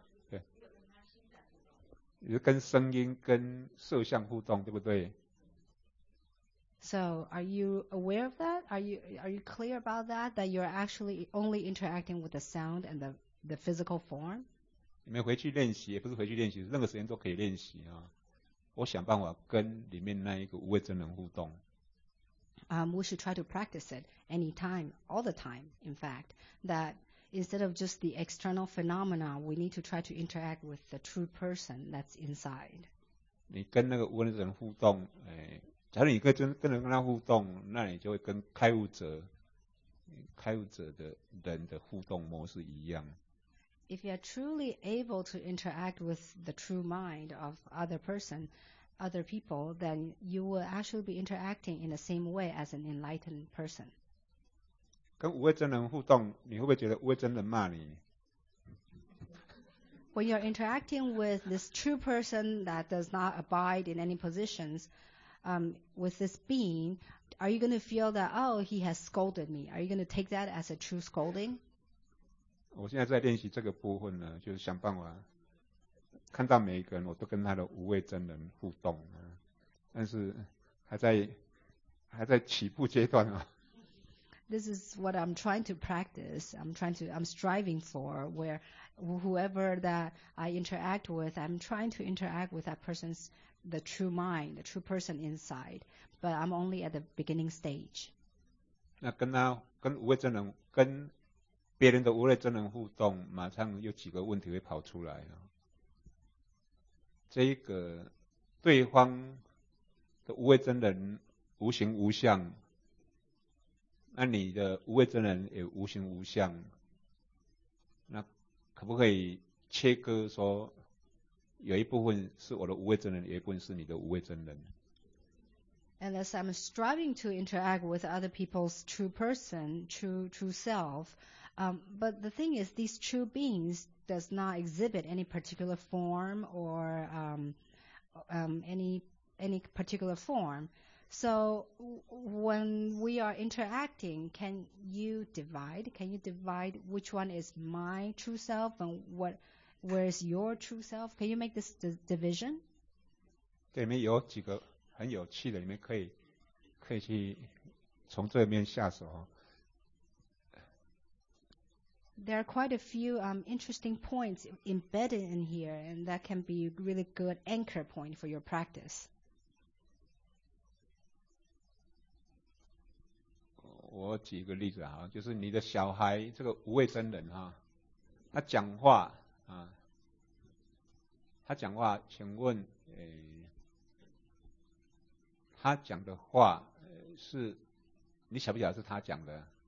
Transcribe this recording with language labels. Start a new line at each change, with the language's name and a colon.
Chinese: 对，就是跟声音、跟色相互动，对不对
English: ？So, are you aware of that? Are you clear about that? That you're actually only interacting with the sound and the physical form?
Chinese: 你们回去练习，也不是回去练习，任何时间都可以练习啊。我想办法跟里面那一个无畏真人互动。
English: We should try to practice it anytime, all the time, in fact, that instead of just the external phenomena, we need to try to interact with the true person that's inside.
Chinese: 你跟那个无畏真人互动，假如你跟人跟他互动，那你就会跟开悟者的人的互动模式一样。
English: If you are truly able to interact with the true mind of other people, then you will actually be interacting in the same way as an enlightened person.
Chinese: 跟无畏真人互动，你会不会觉得无畏真人骂你？
English: When you're interacting with this true person that does not abide in any positions, with this being, are you going to feel that, oh, he has scolded me? Are you going to take that as a true scolding?
Chinese: 我现在在练习这个部分呢，就是想办法。看到每一个人，我都跟他的无畏真人互动，但是还在起步阶段啊。
English: This is what I'm trying to practice. I'm striving for where whoever that I interact with, I'm trying to interact with that person's the true mind, the true person inside. But I'm only at the beginning stage.
Chinese: 那跟无畏真人跟别人的无畏真人互动，马上有几个问题会跑出来啊。这个对方无畏真人无形无相，那你的无畏真人也无形无相，那可不可以切割说有一部分是我的无畏真人，有一部分是你的无畏真人？
English: And as I'm striving to interact with other people's true person, true self, but the thing is, these true beings does not exhibit any particular form or any particular form. So when we are interacting, can you divide which one is my true self and where is your true self? Can you make this division?
Chinese: 这里面有几个很有趣的，你们可以去从这边下手。
English: There are quite a few interesting points embedded in here, and that can be a really good anchor point for your practice.
Chinese: 我举个例子啊，就是你的小孩这个无畏真人啊，他讲话啊，他讲话，请问，他讲的话是你晓不晓得是他讲的？